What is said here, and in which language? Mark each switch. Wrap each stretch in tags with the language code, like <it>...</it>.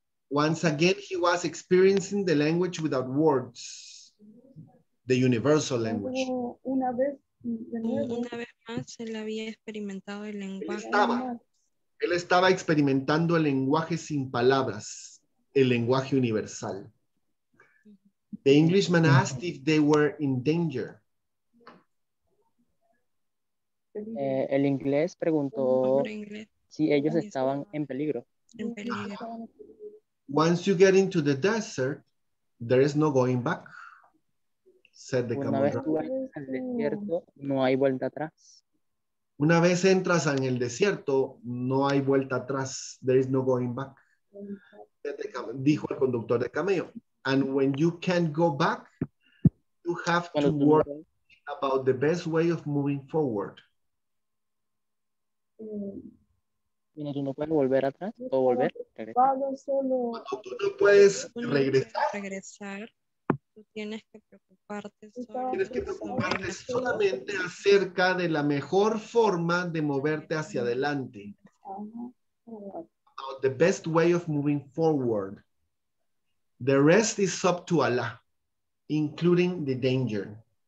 <en>Once again he was experiencing the language without words. The universal language.</en> <es>Una vez más, él había experimentado el lenguaje. Él estaba experimentando el lenguaje sin palabras, el lenguaje universal.</es> <en>The Englishman asked if they were in danger.</en> <es>El inglés preguntó si ellos estaban en peligro. En peligro.</es> <en>Once you get into the desert, there is no going back.</en> <es>Una vez tú entras al desierto, no hay vuelta atrás. Una vez entras en el desierto, no hay vuelta atrás.</es> <en>There is no going back.</en> <es>Dijo el conductor de camello.</es> <en>And when you can't go back, you have to work about the best way of moving forward.</en> <es>Cuando tú no puedes volver atrás o volver. Cuando tú no puedes regresar. Tienes que preocuparte, solamente acerca de la mejor forma de moverte hacia adelante.</es> <en>About the best way of moving forward. The rest is up to Allah, including the danger.</en>